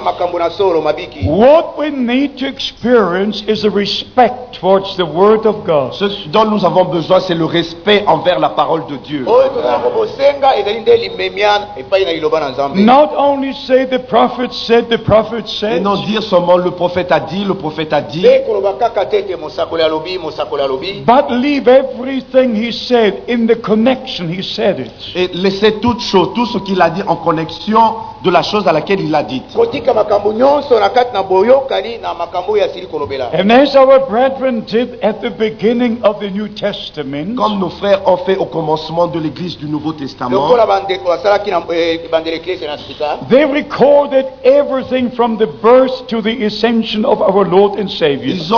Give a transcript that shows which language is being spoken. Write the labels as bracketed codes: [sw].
[en] What we need to experience is a respect towards the word of God. [fr] Ce dont nous avons besoin, c'est le respect envers la parole de Dieu. [en] Not only say the prophet said, the prophet said. [fr] Et non dire seulement le prophète a dit, le prophète a dit. [en] But leave everything he said in the connection he said it. [fr] Et laisser toute chose, tout ce qu'il a dit en connexion de la chose à laquelle il l'a dit. [en] And as our brethren did at the beginning of the New Testament, [fr] comme nos frères ont fait au commencement de l'église du Nouveau Testament, [en] they recorded everything from the birth to the ascension of our Lord and Savior.